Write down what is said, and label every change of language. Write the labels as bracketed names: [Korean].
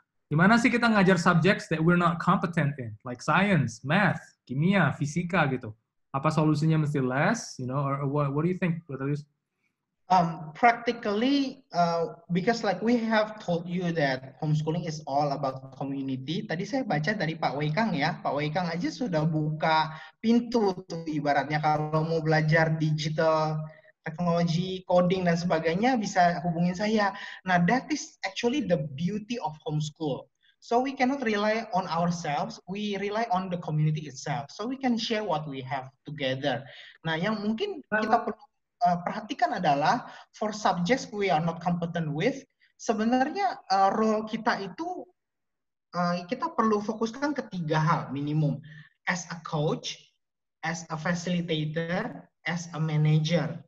[Indonesian] Gimana sih kita ngajar [English] subjects that we're not competent in? Like science, math, kimia, fisika, gitu. [Indonesian] Apa solusinya mesti [English] less, you know? Or what do you think, Brother Lius? Practically, because like we have told you that homeschooling is all about community. [Indonesian] Tadi saya baca dari Pak Wei Kang ya, Pak Wei Kang aja sudah buka pintu tuh ibaratnya kalau mau belajar digital technology, coding dan sebagainya bisa hubungin saya. [English] Nah, that is actually the beauty of homeschool. So we cannot rely on ourselves, we rely on the community itself. So we can share what we have together. [Indonesian] Nah, yang mungkin kita perlu perhatikan adalah [English] for subjects we are not competent with, [Indonesian] sebenarnya role kita itu kita perlu fokuskan ke tiga hal minimum, [English] as a coach, as a facilitator, as a manager.